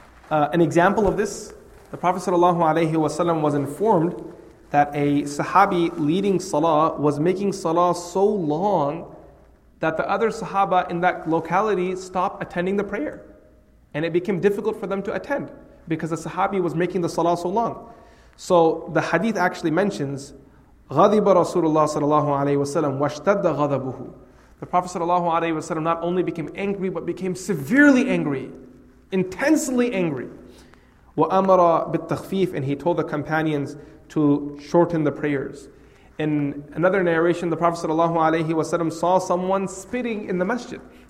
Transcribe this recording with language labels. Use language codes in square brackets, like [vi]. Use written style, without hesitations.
[en] An example of this, the Prophet sallallahu alaihi wasallam was informed that a sahabi leading salah was making salah so long that the other sahaba in that locality stopped attending the prayer. And it became difficult for them to attend because the sahabi was making the salah so long. So the hadith actually mentions, [ar] غَضِبَ رَسُولُ اللَّهِ صَلَى اللَّهُ عَلَيْهِ وَسَلَّمَ وَاشْتَدَّ غَضَبُهُ. [en] The Prophet sallallahu alayhi wasallam not only became angry, but became severely angry, intensely angry. [ar] وَأَمَرَ بِالتَّخْفِيفِ. [en] And he told the companions to shorten the prayers. In another narration, the Prophet sallallahu alayhi wasallam saw someone spitting in the masjid.